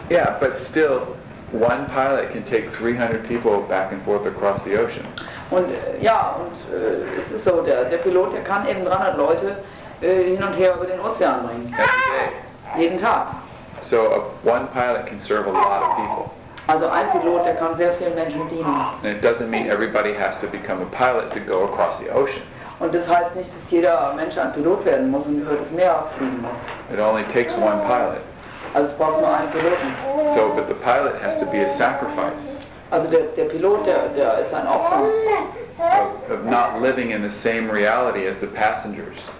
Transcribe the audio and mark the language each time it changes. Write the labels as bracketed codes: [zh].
[en] Yeah, but still, one pilot can take 300 people back and forth across the ocean. [de] Und ja, und es ist so, der Pilot, der kann eben 300 Leute hin und her über den Ozean bringen. Jeden Tag. [en] So one pilot can serve a lot of people. [de] Also ein Pilot, der kann sehr vielen Menschen dienen. [en] And it doesn't mean everybody has to become a pilot to go across the ocean. [de] Und das heißt nicht, dass jeder Mensch ein Pilot werden muss und über das Meer fliegen muss. [en] It only takes one pilot. [de] Also es braucht nur einen Piloten. [en] So, but the pilot has to be a sacrifice. [de] Also der Pilot, der ist ein Opfer. [en] Of not living in the same reality as the passengers.